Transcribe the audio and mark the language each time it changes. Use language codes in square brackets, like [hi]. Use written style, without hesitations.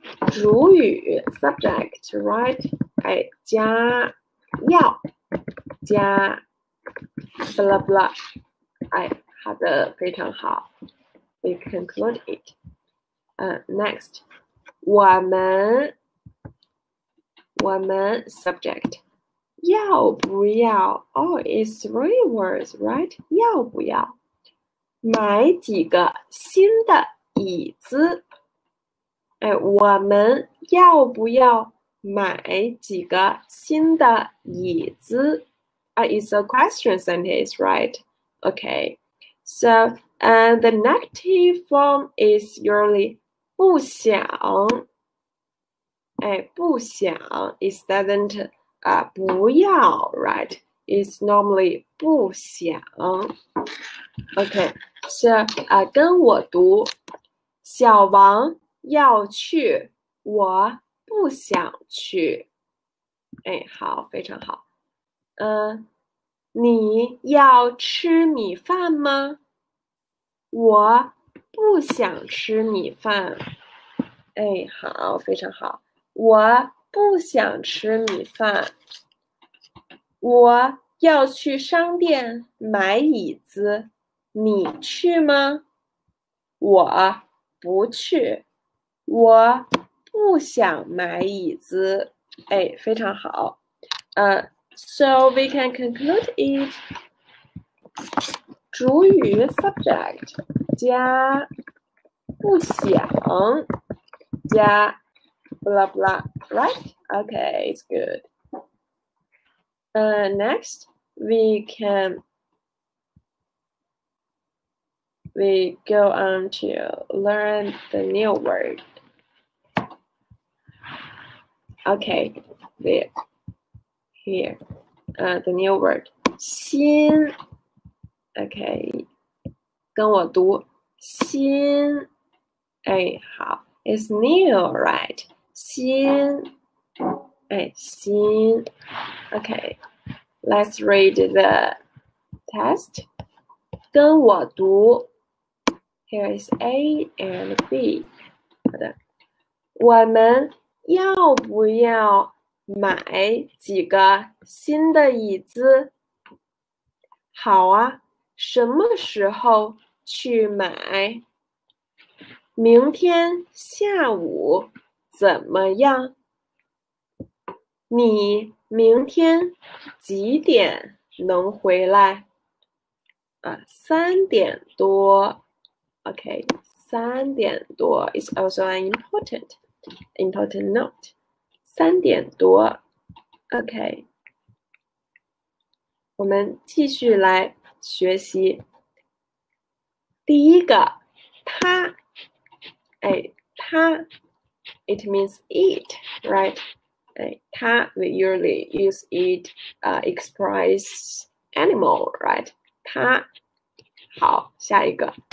[zh] 主语 subject right，加要加 blah blah，好的，非常好， [en] we conclude it，next [zh] 我们。 [en] 我们 subject [zh] 要不要？ [en] Oh, it's three words, right? [zh] 要不要买几个新的椅子？我们要不要买几个新的椅子？ [en] It's a question sentence, right? Okay. So, the negative form is usually 不想。不想，it doesn't 不要，right? It's normally 不想。 [zh] Okay, so 跟我读，小王要去，我不想去。好，非常好。你要吃米饭吗？我不想吃米饭。好，非常好。我不想吃米饭，我要去商店买椅子，你去吗？我不去，我不想买椅子。非常好。 [en] So we can conclude it. [zh] 主语 subject 加不想加。 [en] Blah blah, right? Okay, it's good. Next, we go on to learn the new word. Okay, there, here, the new word, 新. [zh] Okay, 跟我读，新. [en] 好, it's new, right? 新，新，OK，Let's read the test。 [zh] 跟我读， [en] Here is A and B。 [zh] 好的，我们要不要买几个新的椅子？好啊，什么时候去买？明天下午。怎么样？你明天几点能回来？ 3点多。 [en] Okay, 3点多 is also an important note. [zh] 3点多。 Okay, 我们继续来学习。第一个，他，他。 [en] It means it. Cat, we usually use it express animal, right? [zh] Cat. 好，下一个.